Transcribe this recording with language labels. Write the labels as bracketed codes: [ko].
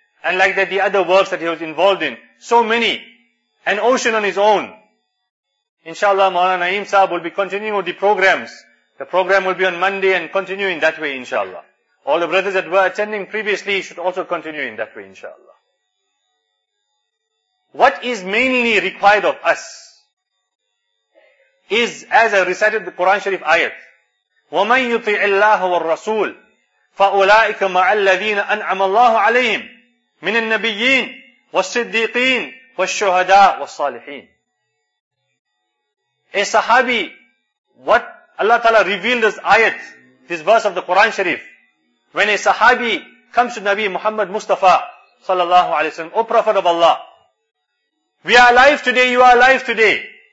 [en] And like that, the other works that he was involved in, so many, an ocean on his own. Inshallah, Maulana Naeem Sahib will be continuing with the programs. The program will be on Monday and continue in that way, inshallah. All the brothers that were attending previously should also continue in that way, inshallah. What is mainly required of us is, as I recited the Quran Sharif ayat, [ar] وَمَنْ يُطِعِ اللَّهَ وَالرَّسُولِ فَأُولَٰئِكَ مَعَ الَّذِينَ أَنْعَمَ اللَّهُ عَلَيْهِمْ مِنَ النَّبِيِّينَ وَالصِّدِّيقِينَ وَالشُّهَدَاءِ وَالصَّالِحِينَ. [en] A sahabi, what Allah Ta'ala revealed this ayat, this verse of the Quran Sharif, when a sahabi comes to Nabi Muhammad Mustafa sallallahu alayhi wa sallam, O Prophet of Allah, we are alive today, you are alive today.